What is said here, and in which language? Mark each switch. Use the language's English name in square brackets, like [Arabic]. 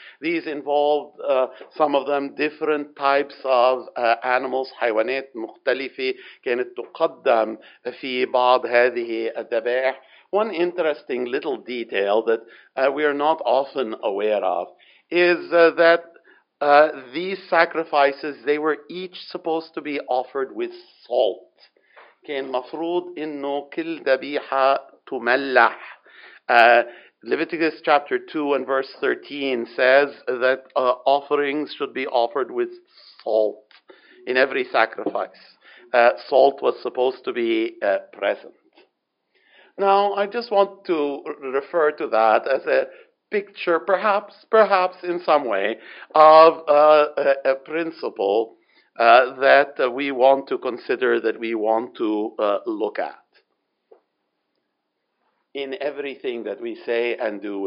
[English] These involved, some of them, different types of animals, [Arabic] حيوانات مختلفة كانت تقدم في بعض هذه الذبائح. [English] One interesting little detail that we are not often aware of is that these sacrifices, they were each supposed to be offered with salt. [Arabic] كان مفروض إنه كل ذبيحة تملح. [English] Leviticus chapter 2 and verse 13 says that offerings should be offered with salt in every sacrifice. Salt was supposed to be present. Now, I just want to refer to that as a picture, perhaps in some way, of a principle that we want to consider, that we want to look at in everything that we say and do.